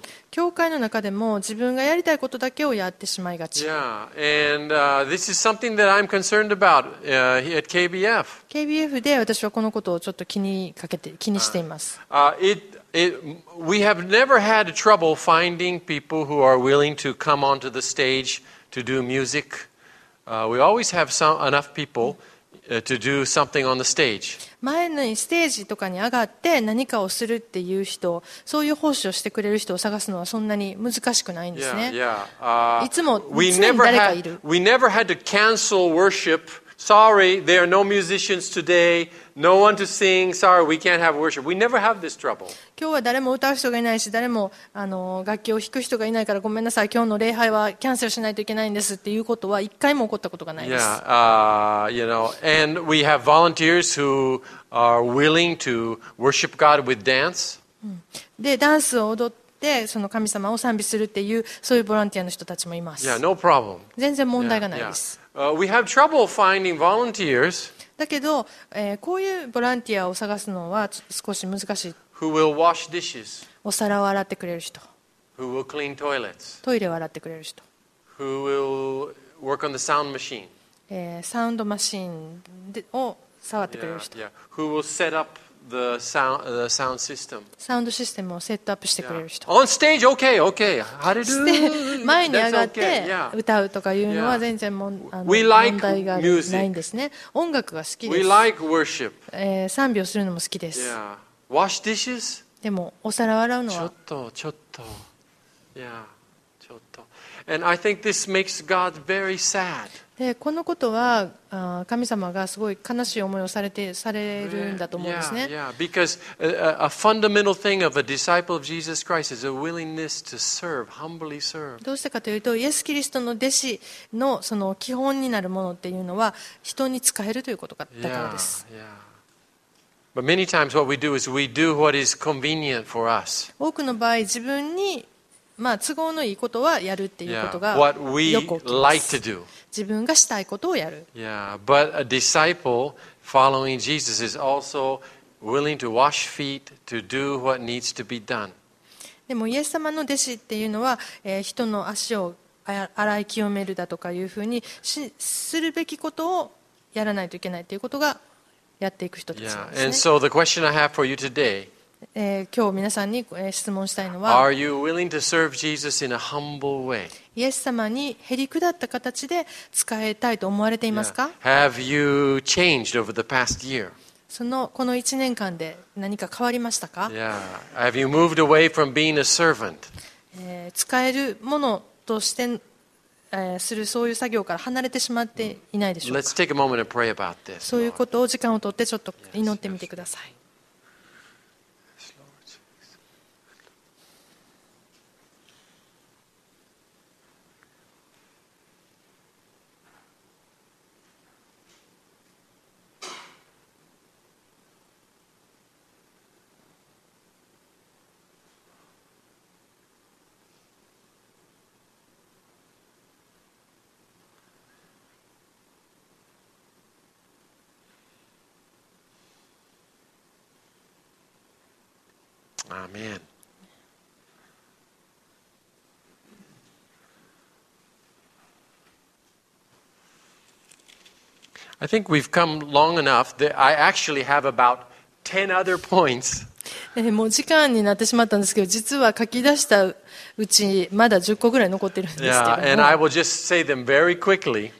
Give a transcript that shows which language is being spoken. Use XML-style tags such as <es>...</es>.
<ja>教会の中でも自分がやりたいことだけをやってしまいがち。</ja> <en>This is something that I'm concerned about at KBF.</en> <ja>KBF で私はこのことをちょっと気にしています。</ja> <en>We have never had trouble finding people who are willing to come onto the stage to do music. We always have enough people to do something on the stage.</en> <ja>前にステージとかに上がって何かをするっていう人、そういう奉仕をしてくれる人を探すのはそんなに難しくないんですね。いつも常に誰かいる。</ja> <en>We never had to cancel worship. Sorry, there are no musicians today. No one to sing. Sorry, we can't have worship. We never have this trouble.</en> <ja>今日は誰も歌う人がいないし、誰も楽器を弾く人がいないから、ごめんなさい。今日の礼拝はキャンセルしないといけないんですっていうことは一回も起こったことがないです。</ja> <en>Yeah, you know, and we have volunteers who are willing to worship God with dance.</en> <ja>で、ダンスを踊ってその神様を賛美するっていうそういうボランティアの人たちもいます。</ja> <en>Yeah, no problem.</en> <ja>全然問題がないです。</ja> <en>We have trouble finding volunteers.</en> <ja>だけど、こういうボランティアを探すのは少し難しい。</ja> <en>Who will wash dishes?</en> <ja>お皿を洗ってくれる人。</ja> <en>Who will clean toilets?</en> <ja>トイレを洗ってくれる人。</ja> <en>Who will work on the sound machine?</en> <ja>サウンドマシーンを触ってくれる人。</ja> <en>Who will set up the sound system?</en> <ja>サウンドシステムをセットアップしてくれる人。</ja> <en>On stage, okay, okay, hallelujah.</en> <ja>前に上がって歌うとかいうのは全然問題がないんですね。音楽が好きです。</ja> <en>We like worship.</en> <ja>賛美をするのも好きです。</ja> <en>Yeah. Wash dishes?</en> <ja>でもお皿を洗うのはちょっとちょっと、yeah. ちょっと。</ja> <en>And I think this makes God very sad.</en> <ja>でこのことは神様がすごい悲しい思いをされるんだと思うんですね。</ja> <en>Yeah, yeah. Because a fundamental thing of a disciple of Jesus Christ is a willingness to serve, humbly serve.</en> <ja>どうしてかというと、イエス・キリストの弟子のその基本になるものっていうのは人に仕えるということだからです。</ja> <en>Yeah, yeah. But many times what we do is we do what is convenient for us.</en> <ja>多くの場合自分にまあ、都合のいいことはやるっていうことがよく起きます。自分がしたいことをやる。</ja> <en>But a disciple following Jesus is also willing to wash feet to do what needs to be done.</en> <ja>でもイエス様の弟子っていうのは、人の足を洗い清めるだとかいうふうにするべきことをやらないといけないっていうことがやっていく人たちなんですね。</ja> <en>And so the question I have for you today.</en> <ja>今日皆さんに質問したいのは、</ja> <en>Are you willing to serve Jesus in a humble way?</en> <ja>イエス様にへりくだった形で使えたいと思われていますか？</ja> <en>Yeah. Have you changed over the past year?</en> <ja>この1年間で何か変わりましたか？</ja> <en>Yeah. Have you moved away from being a servant?</en> <ja>使えるものとして、するそういう作業から離れてしまっていないでしょうか？</ja> <en>Let's take a moment and pray about this.</en> <ja>そういうことを時間を取ってちょっと祈ってみてください。</ja> <en>Amen. I think we've come long enough that I actually have about 10 other points.</en> <ja>もう時間になってしまったんですけど、実は書き出したうちまだ10個ぐらい残ってるんですけど。</ja> <en>Yeah, and I will just say them very quickly.</en>